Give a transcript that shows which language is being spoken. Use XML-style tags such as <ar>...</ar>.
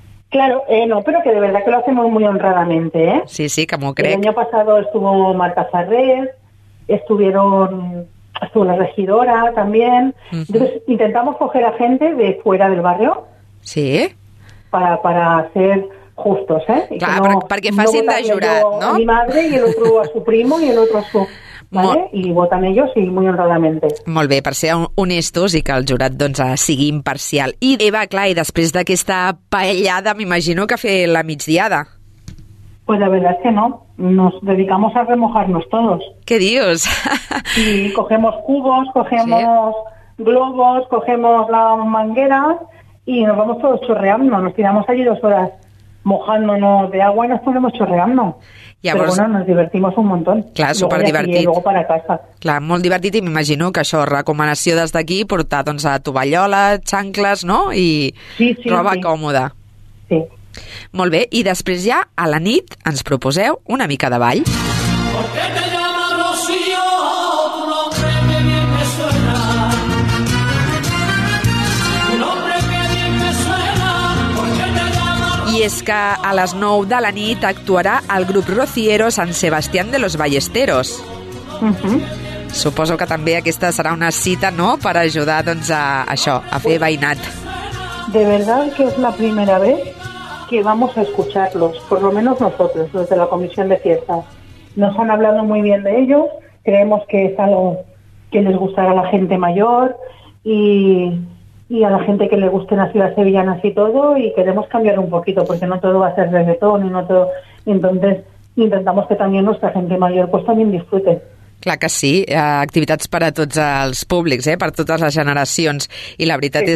<es>Claro, no, pero que de verdad que lo hacemos muy honradamente, ¿eh? Sí, como creo. El año pasado estuvo Marta Farrés, estuvo la regidora también. Uh-huh. Entonces intentamos coger a gente de fuera del barrio. Sí. Para ser justos, ¿eh? Y claro, porque no, fácil no de jurar, ¿no? A mi madre y el otro a su primo y el otro a su... Molt... ¿vale? Y votan ellos y muy honradamente.</es> <ca>Molt bé, per ser honestos i que el jurat doncs, sigui imparcial. I Eva, clar, i després d'aquesta paellada, m'imagino que fer la migdiada.</ca> <es>Pues la verdad es que no. Nos dedicamos a remojarnos todos. ¿Qué dios? Y cogemos cubos, cogemos sí. globos, cogemos la manguera y nos vamos todos chorreando. Nos tiramos allí 2 horas mojándonos de agua y nos ponemos chorreando.</es> <ca>Llavors,</ca> <es>però bueno, nos divertimos un montón.</es> <ca>Clar, superdivertit.</ca> <es>I luego para casa.</es> <ca>Clar, molt divertit, i m'imagino que això, recomanació des d'aquí, portar doncs, a tovallola, xancles, no?, i sí, roba sí. còmoda. Sí. Molt bé, i després ja, a la nit, ens proposeu una mica de ball. És que a les 9 de la nit actuarà el grup Rociero San Sebastián de los Ballesteros. Uh-huh. Suposo que també aquesta serà una cita, no?, per ajudar doncs, a fer veïnat.</ca> <es>De verdad que es la primera vez que vamos a escucharlos, por lo menos nosotros, los de la Comisión de Fiestas. Nos han hablado muy bien de ellos, creemos que es algo que les gustará a la gente mayor y a la gente que le guste la ciudad sevillana y todo, y queremos cambiar un poquito porque no todo va a ser reggaetón y no todo, entonces intentamos que también nuestra gente mayor pues también disfrute.</es> <ca>Clar que sí, activitats per a tots els públics, per a totes les generacions, i la veritat sí.</ca>